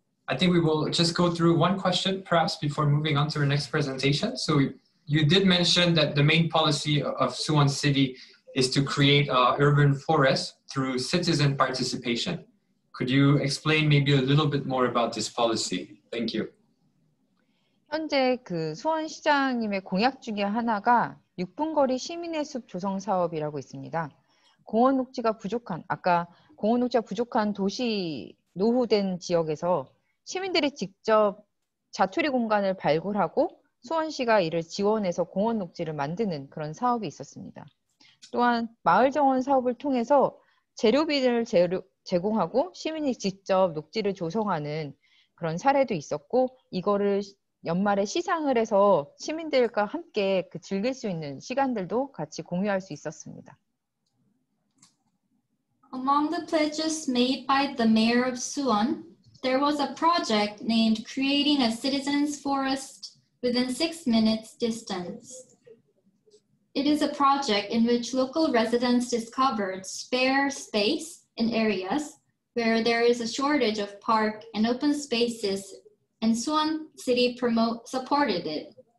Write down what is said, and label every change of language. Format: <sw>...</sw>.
<en>I think we will just go through one question perhaps before moving on to our next presentation. So you did mention that the main policy of Suwon City is to create urban forests through citizen participation. Could you explain maybe a little bit more about this policy? Thank you.</en> <ko>현재 그 수원 시장님의 공약 중에 하나가 6분 거리 시민의 숲 조성 사업이라고 있습니다. 공원 녹지가 부족한 아까 공원 녹지가 부족한 도시 노후된 지역에서 시민들이 직접 자투리 공간을 발굴하고 수원시가 이를 지원해서 공원 녹지를 만드는 그런 사업이 있었습니다. 또한 마을 정원 사업을 통해서 재료비를 제공하고 시민이 직접 녹지를 조성하는 그런 사례도 있었고 이거를 연말에 시상을 해서 시민들과 함께 그 즐길 수 있는 시간들도 같이 공유할 수 있었습니다.</ko> <en>Among the pledges made by the mayor of Suwon, there was a project named Creating a Citizen's Forest within 6 minutes distance. It is a project in which local residents discovered spare space in areas where there is a shortage of park and open spaces, and Suwon City supported it.</en>